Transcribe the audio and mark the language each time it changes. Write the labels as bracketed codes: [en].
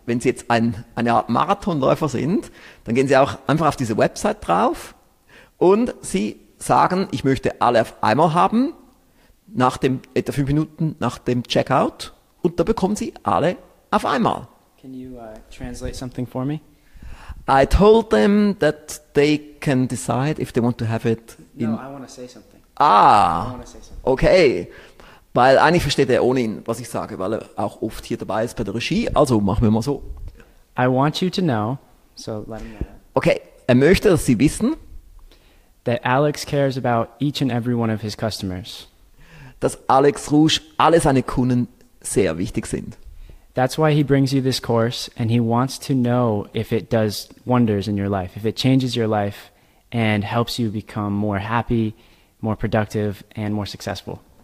[de] Wenn Sie jetzt eine Art Marathonläufer sind, dann gehen Sie auch einfach auf diese Website drauf und Sie sagen, ich möchte alle auf einmal haben, nach dem, etwa 5 Minuten nach dem Checkout, und da bekommen Sie alle auf einmal. [en] Can you translate something for me? I told them that they can decide if they want to have it in... No, I want to say something. Ah, I want to say something. Okay. [de] Weil eigentlich versteht er ohnehin, was ich sage, weil er auch oft hier dabei ist bei der Regie. Also machen wir mal so. [en] I want you to know, so let me know. [de] Okay, er möchte, dass Sie wissen, [en] that Alex cares about each and every one of his customers. [de] Dass Alex Rusch alle seine Kunden sehr wichtig sind. [en] That's why he brings you this course and he wants to know if it does wonders in your life, if it changes your life and helps you become more happy, more productive and more successful.